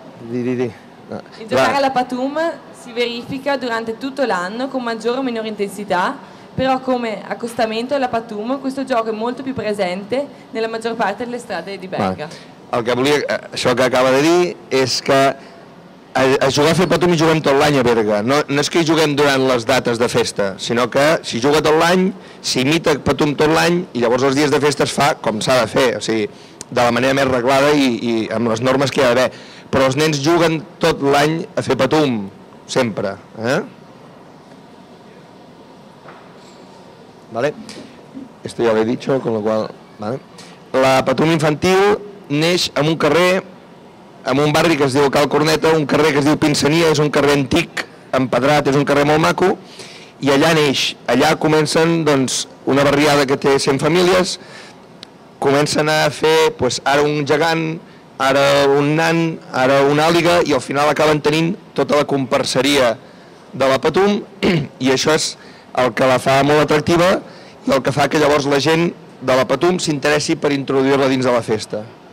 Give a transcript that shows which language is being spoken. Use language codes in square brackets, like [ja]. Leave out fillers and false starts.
[it] Il giocare alla Patum si verifica durante tutto l'anno con maggiore o minore intensità, però come accostamento alla Patum questo gioco è molto più presente nella maggior parte delle strade di Berga. [ca] El que volia, això que acaba de dir, és que a jugar a fer Patum hi juguem tot l'any a Berga. No és que hi juguem durant les dates de festa, sinó que si juga tot l'any, s'imita Patum tot l'any i llavors els dies de festa es fa com s'ha de fer, o sigui, de la manera més reglada i amb les normes que hi ha d'haver. Però els nens juguen tot l'any a fer Patum, sempre. [es] ¿Vale? Esto ya lo he dicho, con lo cual, ¿vale? [ca] La Patum infantil neix en un carrer, en un barri que es diu Cal Corneta, un carrer que es diu Pinsenia, és un carrer antic, empedrat, és un carrer molt maco, i allà neix, allà comencen, doncs, una barriada que té 100 famílies, comencen a fer, doncs, ara un gegant, ara un nan, ara una àliga, i al final acaben tenint tota la comparseria de la Patum, i això és el que la fa molt atractiva i el que fa que llavors la gent de la Patum s'interessi per introduir-la dins de la festa.